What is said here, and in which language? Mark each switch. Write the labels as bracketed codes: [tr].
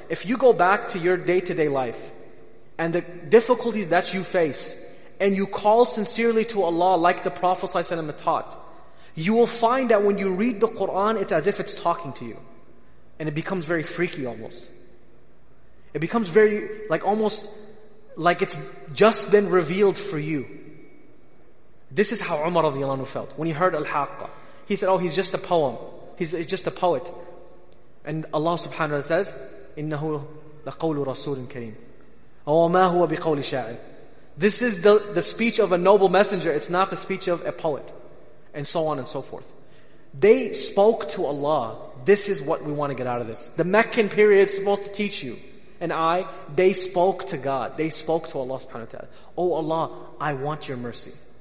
[en] If you go back to your day-to-day life and the difficulties that you face and you call sincerely to Allah like the Prophet ﷺ taught, you will find that when you read the Quran, it's as if it's talking to you. And it becomes very freaky almost. It becomes very, like almost like it's just been revealed for you. This is how Umar radiallahu anhu felt when he heard Al-Haqqah. He said, oh, he's just a poem. He's just a poet. And Allah subhanahu wa ta'ala says, [ar] إِنَّهُ لَقَوْلُ رَسُولٍ كَرِيمٍ وَمَا هُوَ بِقَوْلِ شَاعِرٍ. [en] This is the speech of a noble messenger. It's not the speech of a poet. And so on and so forth. They spoke to Allah. This is what we want to get out of this. The Meccan period is supposed to teach you. And I, they spoke to God. They spoke to Allah subhanahu wa ta'ala. Oh Allah, I want your mercy.